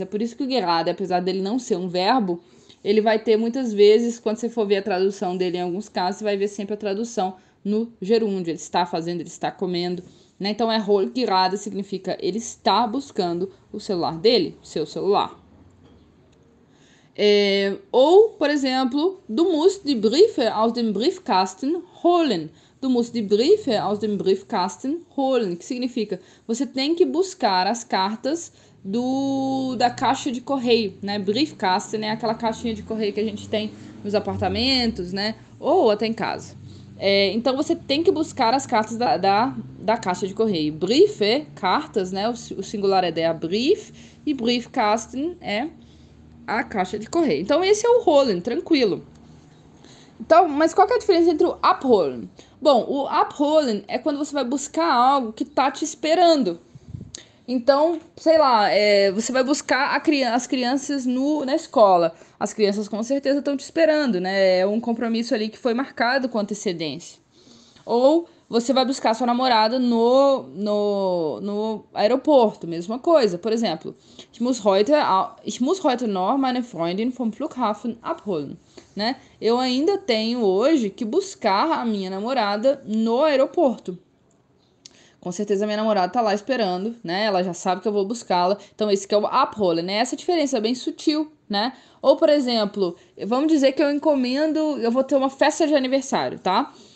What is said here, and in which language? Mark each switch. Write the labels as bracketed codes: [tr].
[pt] É por isso que o gerado, apesar dele não ser um verbo, ele vai ter muitas vezes, quando você for ver a tradução dele em alguns casos, você vai ver sempre a tradução no gerúndio. Ele está fazendo, ele está comendo, né? Então é holt gerade, significa ele está buscando o celular dele, seu celular. Ou, por exemplo, [de] du musst die Briefe aus dem Briefkasten holen. Du musst die Briefe aus dem Briefkasten holen, [pt] que significa você tem que buscar as cartas da caixa de correio, né? Briefkasten é aquela caixinha de correio que a gente tem nos apartamentos, né? Ou até em casa. Então você tem que buscar as cartas da caixa de correio. Briefe, cartas, né? O singular é der Brief e Briefkasten é a caixa de correio. Então esse é o holen, tranquilo. Então, mas qual que é a diferença entre o abholen? Bom, o abholen é quando você vai buscar algo que tá te esperando. Então, sei lá, você vai buscar as crianças na escola. As crianças com certeza estão te esperando, né? É um compromisso ali que foi marcado com antecedência. Ou você vai buscar sua namorada no aeroporto, mesma coisa. Por exemplo, [de] ich muss heute noch meine Freundin vom Flughafen abholen. [pt] Né? Eu ainda tenho hoje que buscar a minha namorada no aeroporto. Com certeza minha namorada tá lá esperando, né? Ela já sabe que eu vou buscá-la. Então esse que é o abholen, né? Essa diferença é bem sutil, né? Ou por exemplo, vamos dizer que eu vou ter uma festa de aniversário, tá?